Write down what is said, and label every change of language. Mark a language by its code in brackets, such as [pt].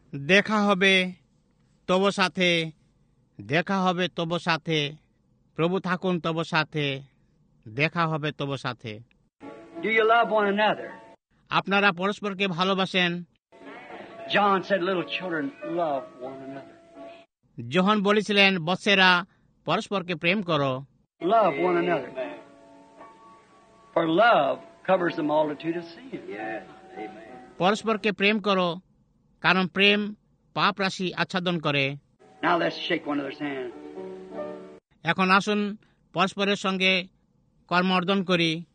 [bn] দেখা হবে তবো সাথে, প্রভু থাকুন তবো সাথে, দেখা হবে তবো সাথে। [en] Do you love one another? [bn] আপনারা পরস্পরকে ভালোবাসেন? [en] John said, little children, love one another. [bn] John bolechilen bossera porospor ke prem koro. [en] Love one another. For love covers the multitude of sin. [bn] Porospor ke prem koro karon prem pap rashi achhadon kore. [en] Now let's shake one another's hand. [bn] এখন আসুন পরস্পরের সঙ্গে কর্মার্জন করি।